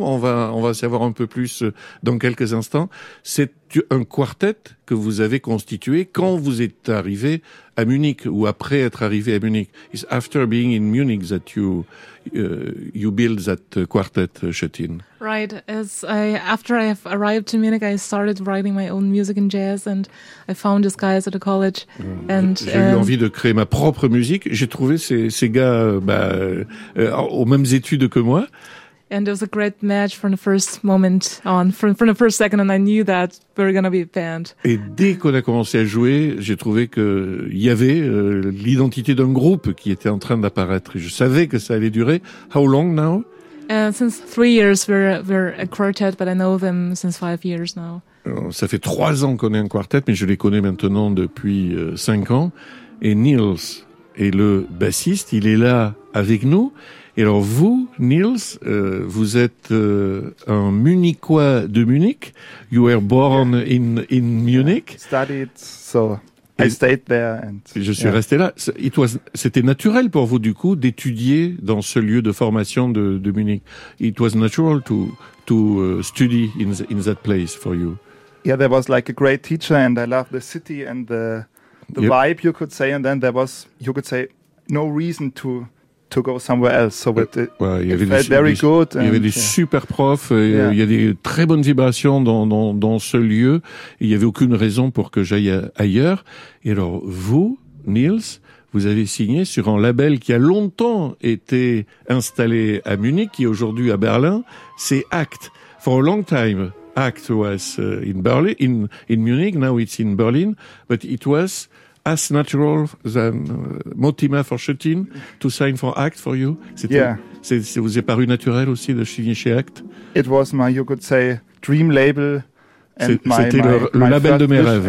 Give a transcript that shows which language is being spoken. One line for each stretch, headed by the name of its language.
French: On va savoir un peu plus dans quelques instants. C'est un quartet que vous avez constitué quand vous êtes arrivé à Munich ou après être arrivé à Munich.
English: It's after being in Munich that you build that quartet, Chetin. Right. After I have arrived to Munich, I started writing my own music in jazz, and I found this guy at a college.
French: J'ai eu envie de créer ma propre musique. J'ai trouvé ces gars aux mêmes études que moi.
English: And it was a great match from the first moment on, from the first second, and I knew that we were going to be a band.
French: Et dès qu'on a commencé à jouer, j'ai trouvé qu'il y avait l'identité d'un groupe qui était en train d'apparaître. Je savais que ça allait durer.
English: How long now? Since 3 years, we're a quartet, but I know them since 5 years now.
French: Ça fait 3 ans qu'on est un quartet, mais je les connais maintenant depuis 5 ans. Et Nils est le bassiste, il est là avec nous. Et alors vous, Nils, vous êtes un Munichois de Munich.
English: You were born in Munich. Yeah, studied, so I stayed there. And,
French: je suis resté là. C'était naturel pour vous, du coup, d'étudier dans ce lieu de formation de Munich.
English: It was natural to study in that place for you. Yeah, there was like a great teacher, and I loved the city and the vibe, you could say. And then there was, you could say, no reason to go somewhere else. So
French: il y avait des super profs, il y a des très bonnes vibrations dans ce lieu. Il n'y avait aucune raison pour que j'aille ailleurs. Et alors, vous, Nils, vous avez signé sur un label qui a longtemps été installé à Munich, qui est aujourd'hui à Berlin. C'est ACT.
English: For a long time, ACT was in Berlin, in Munich. Now it's in Berlin. But it was as natural than Motima for Chetin to sign for ACT for you.
French: C'est vous est paru naturel aussi de signer chez ACT.
English: It was my, you could say, dream label. And
French: c'était le label de mes rêves.